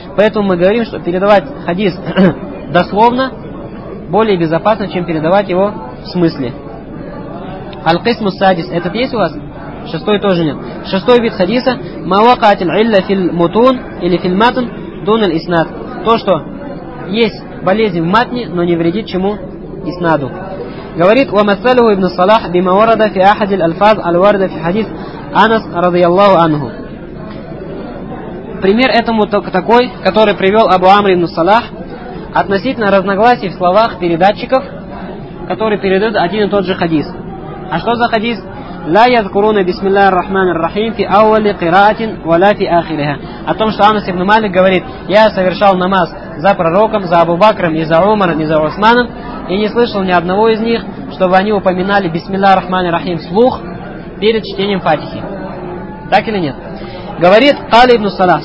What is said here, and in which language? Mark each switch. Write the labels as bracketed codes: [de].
[ru] Поэтому мы говорим, что передавать хадис дословно более безопасно, чем передавать его в смысле. Аль-кисму садис. Этот есть у вас? Шестой тоже нет. Шестой вид хадиса. [ar] Мавакаат аль-илля фил-мутун или фил-матн дун аль-иснат. [ru] То, что есть болезнь в матне, но не вредит чему? Иснаду. Говорит, [ar] وَمَثَّلُهُ ابن الصلاح بما ورد في أحد الألفاظ الواردة في حديث أنس رضي الله عنه. [ru] Пример этому такой, который привел Абу Амр ибн Салах относительно разногласий в словах передатчиков, которые передают один и тот же хадис. А что за хадис? [ar] لا يذكرون بسم الله الرحمن الرحيم في أول قراءة ولا في آخرها. [ru] О том, что Анас ибн Малик говорит, я совершал намаз за пророком, за Абу Бакром, и за Умаром, и за Усманом, и не слышал ни одного из них, чтобы они упоминали «Бисмилля рахмани рахим» вслух, перед чтением Фатихи. Так или нет? Говорит Кали ибн Салах,